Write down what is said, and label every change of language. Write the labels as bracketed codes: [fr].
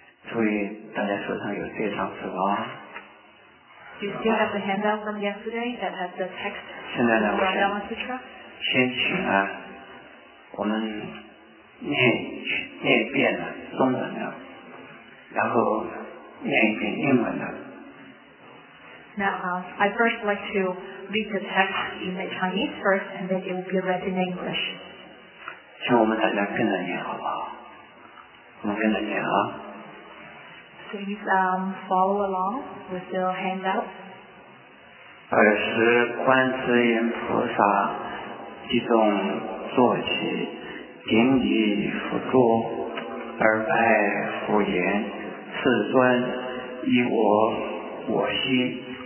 [zh] 注意大家手上有这张纸啊。 [en] You still have the handout from yesterday that has the text. [zh] 现在呢，我先请啊，我们念一遍的中文的，然后念一遍英文的。 [en] Now, I first like to read the text in the Chinese first, and then it will be read in English. [zh] 请我们大家跟着念好不好？我们跟着念啊。 [en] Please, follow along with your handout. [zh] 尔时，观世音菩萨即动坐起，顶礼佛桌，而拜佛言：“世尊，依我心。”